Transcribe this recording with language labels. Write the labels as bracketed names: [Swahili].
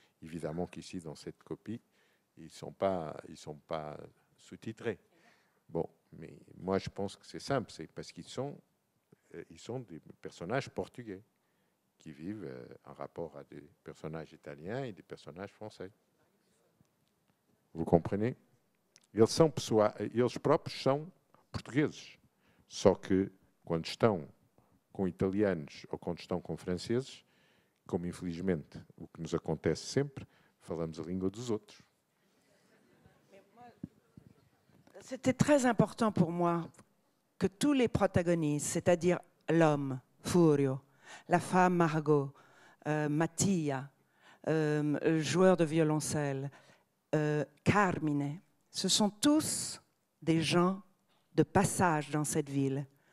[French] Évidemment qu'ici, dans cette copie, ils sont pas sous-titrés. Bon, mais moi, je pense que c'est simple, c'est parce qu'ils sont des personnages portugais. qui vivent en rapport à des personnages italiens et des personnages français. Vous comprenez? [Portuguese] Eles próprios são portugueses, só que quando estão com italianos ou quando estão com franceses, como infelizmente o que nos acontece sempre, falamos a língua dos outros. [French] C'était très important pour moi que tous les protagonistes, c'est-à-dire l'homme, Furio, la femme, Margot, Mattia, joueur de violoncelle, Carmine, ce sont tous des gens de passage dans cette ville.